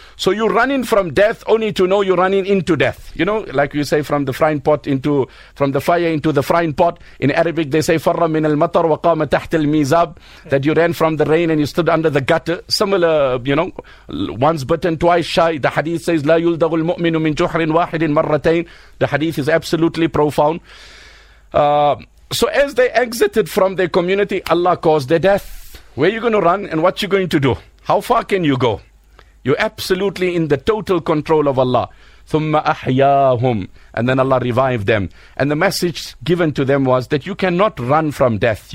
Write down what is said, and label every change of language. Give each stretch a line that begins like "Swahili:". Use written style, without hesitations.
English: So you're running from death only to know you're running into death. You know, like you say, from the fire into the frying pot. In Arabic, they say,
Arabic: فَرَّ مِنَ الْمَطَرُ وَقَامَ تَحْتَ الْمِيزَابِ,
English: that you ran from the rain and you stood under the gutter. Similar, you know, once bitten, twice shy. The hadith says,
Arabic: لَا يُلْدَغُ الْمُؤْمِنُ مِنْ جُحْرٍ وَاحِدٍ مَرَّتَيْنِ.
English: The hadith is absolutely profound. So as they exited from their community, Allah caused their death. Where are you going to run and what are you going to do? How far can you go? You're absolutely in the total control of Allah.
Arabic: ثُمَّ أَحْيَاهُمْ.
English: And then Allah revived them. And the message given to them was that you cannot run from death.